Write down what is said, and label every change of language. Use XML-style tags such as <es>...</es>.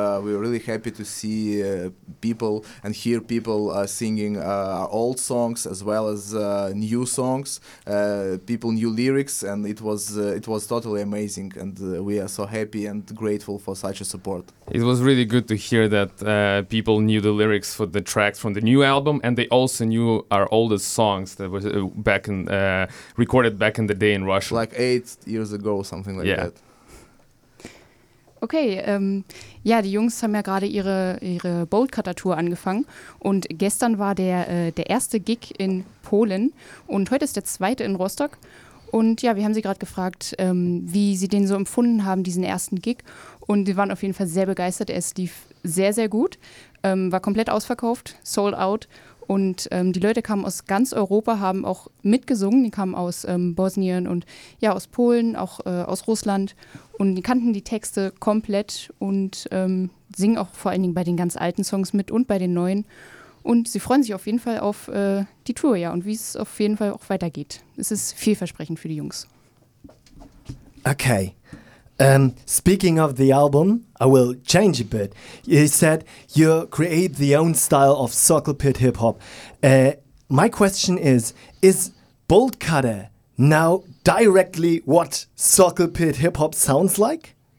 <en>We're really happy to see people and hear people singing our old songs as well as new songs, people new lyrics, and it was totally amazing. And we are so happy and grateful for such a support. It was really good to hear that people knew the lyrics for the tracks from the new album, and they also knew our oldest songs that was back in recording. Back in the day in Russia. Like 8 years ago, something like yeah. that.</en> <de>Okay, ja, die Jungs haben ja gerade ihre Boltcutter-Tour angefangen und gestern war der erste Gig in Polen und heute ist der zweite in Rostock und ja, wir haben sie gerade gefragt, wie sie den so empfunden haben, diesen ersten Gig, und sie waren auf jeden Fall sehr begeistert. Es lief sehr, sehr gut, war komplett ausverkauft,</de> <en>sold out,</en> <de>Und die Leute kamen aus ganz Europa, haben auch mitgesungen. Die kamen aus Bosnien und ja, aus Polen, auch aus Russland. Und die kannten die Texte komplett und singen auch vor allen Dingen bei den ganz alten Songs mit und bei den neuen. Und sie freuen sich auf jeden Fall auf die Tour, ja, und wie es auf jeden Fall auch weitergeht. Es ist vielversprechend für die Jungs. Okay.</de> <en>Speaking of the album, I will change a bit. You said you create the own style of Circle Pit Hip Hop. My question is Bolt Cutter now directly what Circle Pit Hip Hop sounds like?</en>